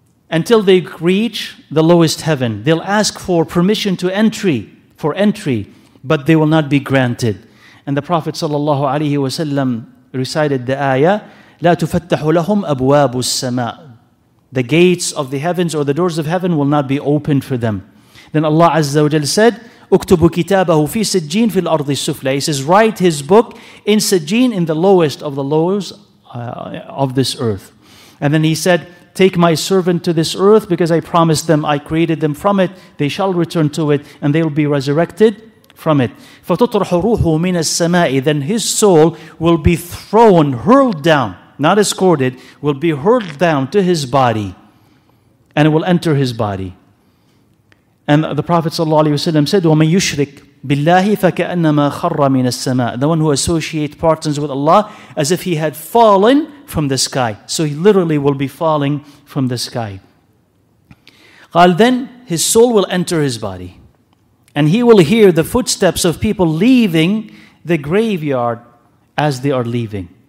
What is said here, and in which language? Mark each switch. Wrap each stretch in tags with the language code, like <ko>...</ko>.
<en>Until they reach the lowest heaven, they'll ask for permission to entry, for entry, but they will not be granted. And the Prophet sallallahu alaihi wasallam recited the ayah,</en> <ar>"La tufattahu lahum abwabu as-sama'."</ar> <en>The gates of the heavens or the doors of heaven will not be opened for them. Then Allah azza wa jalla said,</en> <ar>اكتب كتابه في سجين في الأرض السفلى.</ar> <en>He says, write his book in سجين, in the lowest of the lows of this earth. And then he said, take my servant to this earth because I promised them, I created them from it. They shall return to it and they will be resurrected from it.</en> <ar>فتطرح روحه من السماء.</ar> <en>Then his soul will be thrown, hurled down, not escorted, will be hurled down to his body and it will enter his body. And the Prophet ﷺ said,</en> <ar>وَمَنْ يُشْرِكْ بِاللَّهِ فَكَأَنَّمَا خَرَّ مِنَ السَّمَاءِ.</ar> <en>The one who associates partners with Allah as if he had fallen from the sky. So he literally will be falling from the sky. قال, then his soul will enter his body. And he will hear the footsteps of people leaving the graveyard as they are leaving.</en>